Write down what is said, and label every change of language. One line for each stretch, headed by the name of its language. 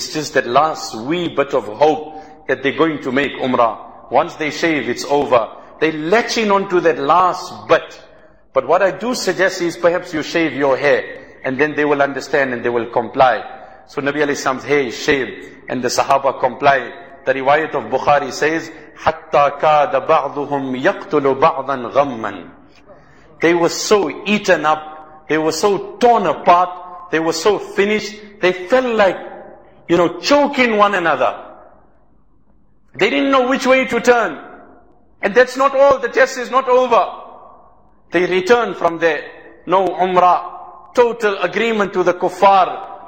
English: It's just that last wee bit of hope that they're going to make Umrah. Once they shave, it's over. They latching onto that last bit. But what I do suggest is perhaps you shave your hair and then they will understand and they will comply. So Nabi alayhi salam's hair is shaved and the Sahaba comply. The riwayat of Bukhari says,
Arabic: حَتَّى كَادَ بَعْضُهُمْ يَقْتُلُ بَعْضًا غَمًّا.
English: They were so eaten up, they were so torn apart, they were so finished, they felt like, you know, choking one another. They didn't know which way to turn. And that's not all, the test is not over. They return from there, no Umrah, total agreement to the kuffar.